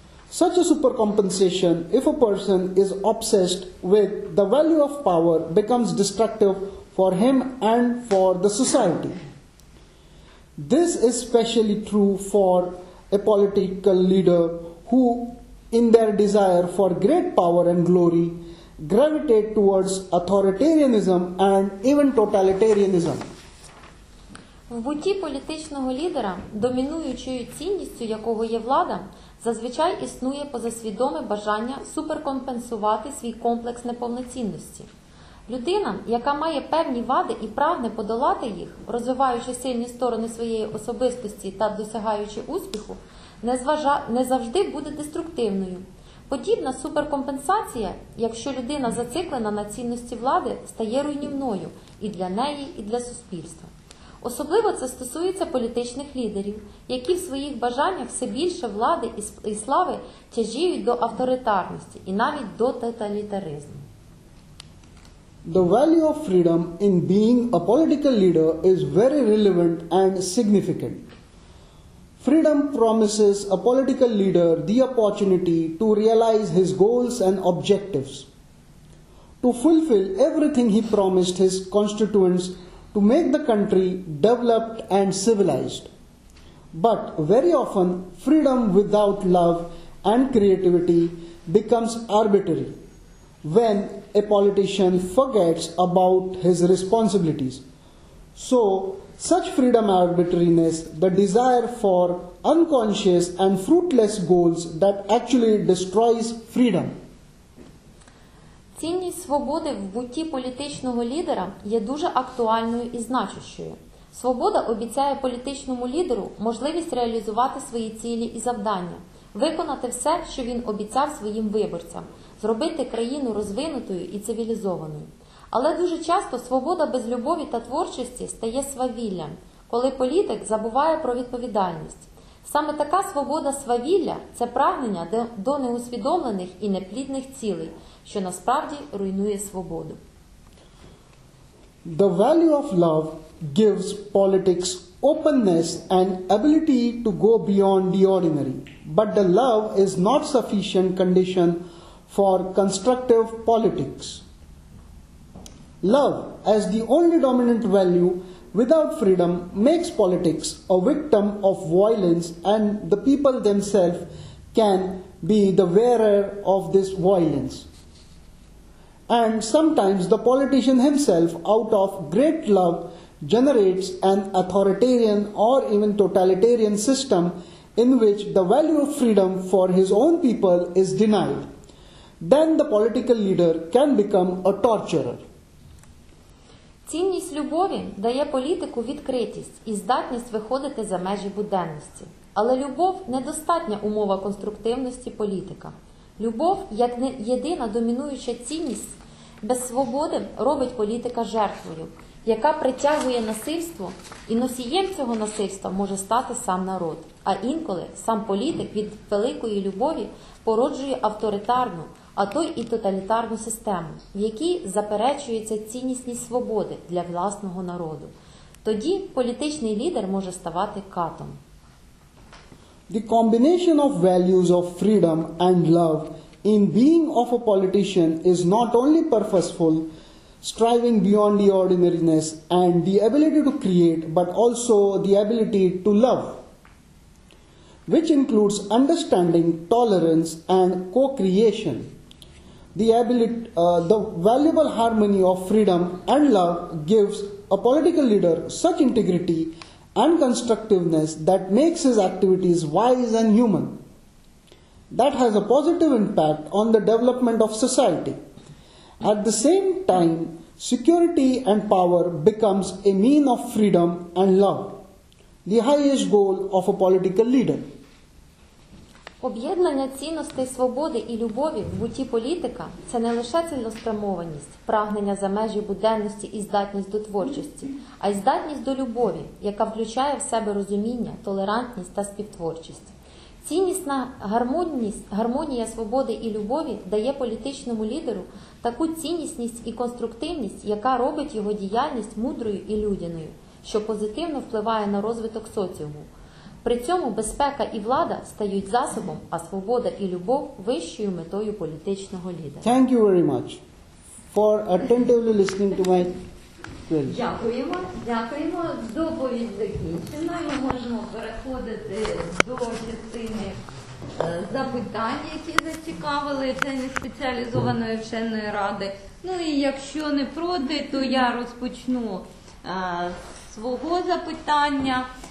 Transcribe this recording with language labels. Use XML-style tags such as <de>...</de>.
<en>Such a supercompensation, if a person is obsessed with the value of power, becomes destructive for him and for the society. This is especially true for a political leader who, in their desire for great power and glory, gravitate towards authoritarianism and even totalitarianism.</en> <uk>В буті політичного лідера, домінуючою цінністю якого є влада, зазвичай існує позасвідоме бажання суперкомпенсувати свій комплекс неповноцінності. Людина, яка має певні вади і прагне подолати їх, розвиваючи сильні сторони своєї особистості та досягаючи успіху, не завжди буде деструктивною. Подібна суперкомпенсація, якщо людина зациклена на цінності влади, стає руйнівною і для неї, і для суспільства. Особливо це стосується політичних лідерів, які в своїх бажаннях все більше влади і слави тяжіють до авторитарності і навіть до тоталітаризму.</uk> <en>The value of freedom in being a political leader is very relevant and significant. Freedom promises a political leader the opportunity to realize his goals and objectives, to fulfill everything he promised his constituents, to make the country developed and civilized. But very often, freedom without love and creativity becomes arbitrary when a politician forgets about his responsibilities. So, such freedom arbitrariness, the desire for unconscious and fruitless goals that actually destroys freedom.</en> <uk>Цінність свободи в буті політичного лідера є дуже актуальною і значущою. Свобода обіцяє політичному лідеру можливість реалізувати свої цілі і завдання, виконати все, що він обіцяв своїм виборцям, зробити країну розвинутою і цивілізованою. Але дуже часто свобода без любові та творчості стає свавіллям, коли політик забуває про відповідальність. Саме така свобода свавілля – це прагнення до неусвідомлених і неплідних цілей, що насправді руйнує свободу.</uk> <en>The value of love gives politics openness and ability to go beyond the ordinary. But the love is not sufficient condition for constructive politics. Love, as the only dominant value, without freedom, makes politics a victim of violence, and the people themselves can be the wearer of this violence. And sometimes the politician himself, out of great love, generates an authoritarian or even totalitarian system in which the value of freedom for his own people is denied. Then the political leader can become a torturer.</en> <uk>Цінність любові дає політику відкритість і здатність виходити за межі буденності. Але любов – недостатня умова конструктивності політика. Любов, як не єдина домінуюча цінність, без свободи робить політика жертвою, яка притягує насильство, і носієм цього насильства може стати сам народ. А інколи сам політик від великої любові породжує авторитарну, а то й тоталітарну систему, в якій заперечується ціннісність свободи для власного народу. Тоді політичний лідер може ставати катом.</uk> <en>The combination of values of freedom and love in being of a politician is not only purposeful, striving beyond the ordinariness and the ability to create, but also the ability to love, which includes understanding, tolerance and co-creation. The valuable harmony of freedom and love gives a political leader such integrity and constructiveness that makes his activities wise and human, that has a positive impact on the development of society. At the same time, security and power becomes a mean of freedom and love, the highest goal of a political leader.</en> <uk>Об'єднання цінностей свободи і любові в буті політика – це не лише цілеспрямованість, прагнення за межі буденності і здатність до творчості, а й здатність до любові, яка включає в себе розуміння, толерантність та співтворчість. Цінностна гармонія свободи і любові дає політичному лідеру таку ціннісність і конструктивність, яка робить його діяльність мудрою і людяною, що позитивно впливає на розвиток соціуму. При цьому безпека і влада стають засобом, а свобода і любов – вищою метою політичного лідера.</uk> <en>Thank you very much for attentively listening to my query.</en> <uk>Дякуємо. Дякуємо. Доповідь закінчена. Ми можемо переходити до частини запитань, які зацікавили члени спеціалізованої вченої ради. Ну і якщо не проти, то я розпочну свого запитання.</uk>